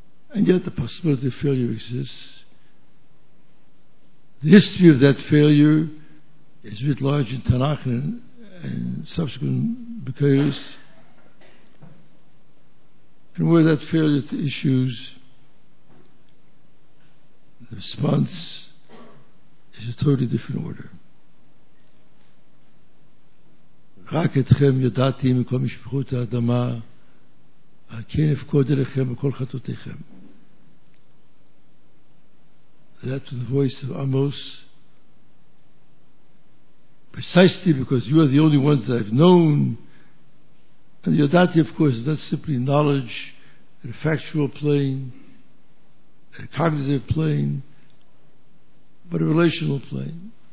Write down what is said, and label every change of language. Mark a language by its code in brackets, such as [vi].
[en] And yet the possibility of failure exists. The history of that failure is writ large in Tanakh and subsequent Bekeiros. And where that failure to issues, the response is a totally different order. [he] רק אתכם ידעתי מכל משפחות האדמה, על כן אפקוד אליכם בכל חטאותיכם. [en] That was the voice of Amos. Precisely because you are the only ones that I've known. And ידעתי, of course, is not simply knowledge in a factual plane, in a cognitive plane, but a relational plane.